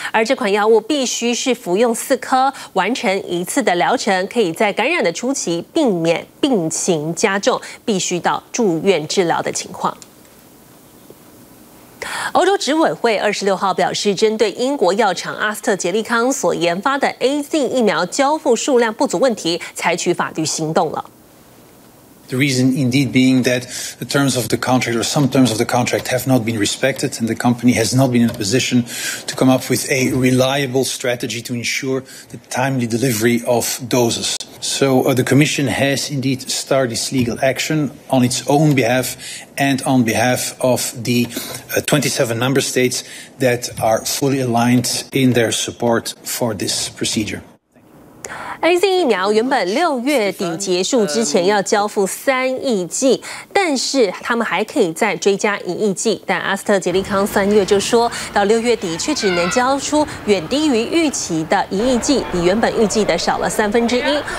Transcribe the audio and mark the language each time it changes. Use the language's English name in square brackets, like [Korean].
[Chinese] 而这款药物必须是服用4颗，完成一次的疗程，可以在感染的初期避免病情加重，必须到住院治疗的情况。欧洲执委会26号表示，针对英国药厂阿斯特捷利康所研发的 AZ 疫苗交付数量不足问题，采取法律行动了。 [English] The reason indeed being that the terms of the contract or some terms of the contract have not been respected and the company has not been in a position to come up with a reliable strategy to ensure the timely delivery of doses. So the commission has indeed started this legal action on its own behalf and on behalf of the 27 member states that are fully aligned in their support for this procedure. [Chinese] AZ 疫苗原本六月底结束之前要交付3亿剂，但是他们还可以再追加1亿剂，但阿斯特捷利康三月就说到六月底却只能交出远低于预期的1亿剂，比原本预计的少了1/3。